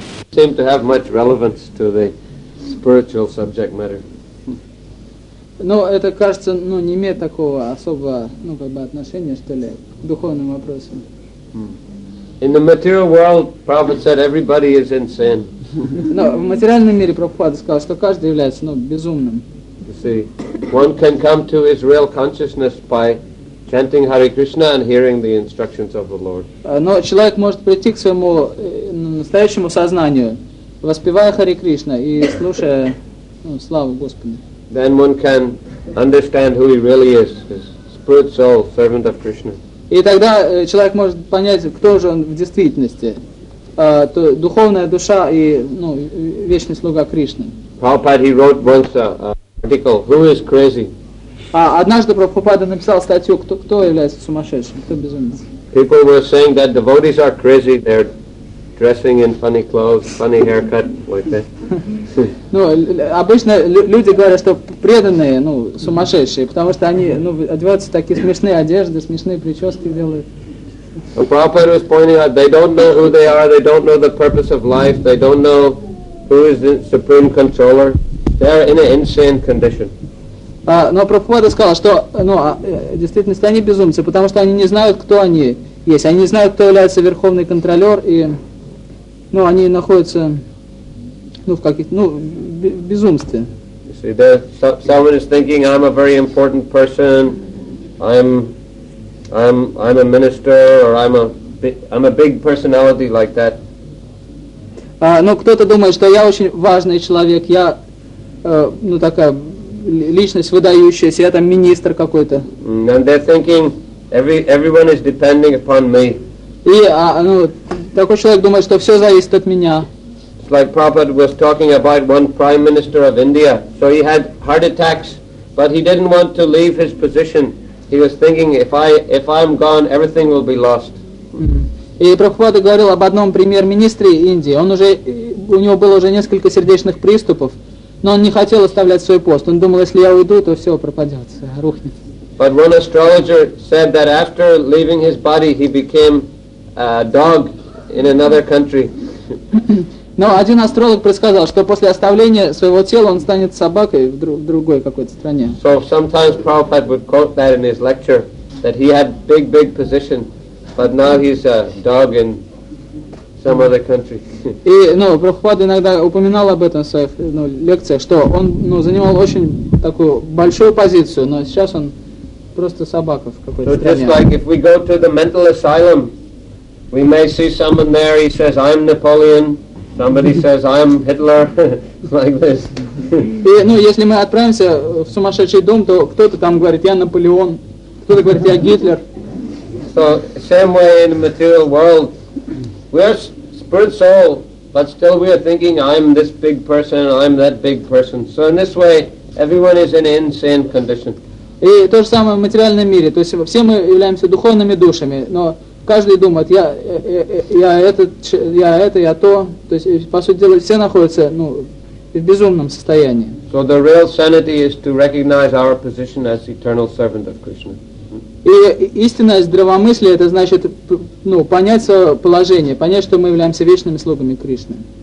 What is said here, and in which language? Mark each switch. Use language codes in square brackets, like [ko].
[en] seem to have much relevance to the spiritual subject matter. [ru] Но это кажется, ну, не имеет такого особого, ну, как бы отношения, что ли, к духовным вопросам. [en] In the material world, Prabhupada said everybody is in sin. [ru] Но в материальном мире Прабхупада сказал, что каждый является, ну, безумным. [en] You see, one can come to his real consciousness by chanting Hare Krishna and hearing the instructions of the Lord. [ru] Но человек может прийти к своему настоящему сознанию, воспевая Хари Кришна и слушая славу Господа. [en] Then one can understand who he really is, his spirit soul, servant of Krishna. [ru] И тогда человек может понять, кто же он в действительности, то духовная душа и вечный слуга Кришны. [en] Prabhupada, he wrote once an article, Who is crazy? [ru] Однажды Прабхупада написал статью, кто является сумасшедшим, кто безумец. [en] People were saying that devotees are crazy. They're dressing in funny clothes, funny haircut, like that. [ru] Ну, обычно люди говорят, что преданные, ну, сумасшедшие, потому что они, ну, одеваются в такие смешные одежды, смешные прически делают. [en] So Prabhupada was pointing out they don't know who they are, they don't know the purpose of life, they don't know who is the supreme controller. They are in an insane condition. [ru] Но Прабхупада сказал, что в действительности они безумцы, потому что они не знают, кто они есть. Они не знают, кто является верховный контролер, и они находятся в каких-то безумстве. [en] You see, there, someone is thinking, I'm a very important person, I'm a minister, or I'm a big personality like that. [ru] Кто-то думает, что я очень важный человек, я такая личность выдающаяся, я там министр какой-то. [en] And they're thinking everyone is depending upon me. [ru] И такой человек думает, что все зависит от меня. [en] It's like Prabhupada was talking about one prime minister of India. So he had heart attacks, but he didn't want to leave his position. He was thinking if I'm gone, everything will be lost. [ru] И Прабхупада говорил об одном премьер-министре Индии. Он уже у него было уже несколько сердечных приступов. Но он не хотел оставлять свой пост. Он думал, если я уйду, то все пропадет, рухнет. [en] But one astrologer said that after leaving his body, he became a dog in another country. [ru] Но один астролог предсказал, что после оставления своего тела он станет собакой в другой какой-то стране. [en] So sometimes Prabhupada would quote that in his lecture, that he had big, big position, but now he's a dog in some other country. [ru] И, Прабхупада иногда упоминал об этом в своих, лекциях, что он, занимал очень такую большую позицию, но сейчас он просто собака в какой-то стране. [en] So just like if we go to the mental asylum, we may see someone there, he says, I'm Napoleon, somebody says, I'm Hitler, like this. [ru] И, если мы отправимся в сумасшедший дом, то кто-то там говорит, я Наполеон, кто-то говорит, я Гитлер. [en] So, same way in the material world, we are spirit soul, but still we are thinking, I'm this big person, I'm that big person. So in this way, everyone is in an insane condition. [ru] И то же самое в материальном мире. То есть все мы являемся духовными душами, но каждый думает, я это, я то. То есть, по сути дела, все находятся, в безумном состоянии. [en] So the real sanity is to recognize our position as eternal servant of Krishna. [ru] И истинное здравомыслие, это значит, понять свое положение, понять, что мы являемся вечными слугами Кришны.